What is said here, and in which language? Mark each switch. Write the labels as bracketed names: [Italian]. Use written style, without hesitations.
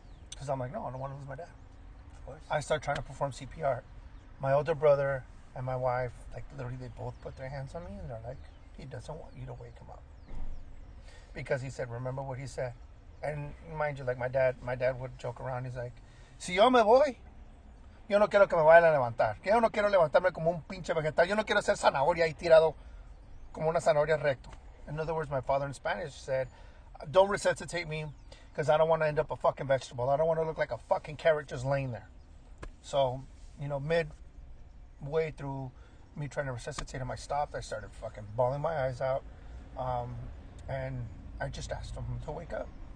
[English] Because I'm like, no, I don't want to lose my dad. I start trying to perform CPR. My older brother and my wife, like, literally they both put their hands on me. And they're like, he doesn't want you to wake him up. Because he said, remember what he said. And mind you, like, my dad would joke around. He's like, [Spanish] si yo me voy, yo no quiero que me vaya a levantar. Que yo no quiero levantarme como un pinche vegetal. Yo no quiero ser zanahoria ahí tirado como una zanahoria recto. [English] In other words, my father in Spanish said, don't resuscitate me because I don't want to end up a fucking vegetable. I don't want to look like a fucking carrot just laying there. So, you know, midway through me trying to resuscitate him, I stopped. I started fucking bawling my eyes out. And I just asked him to wake up.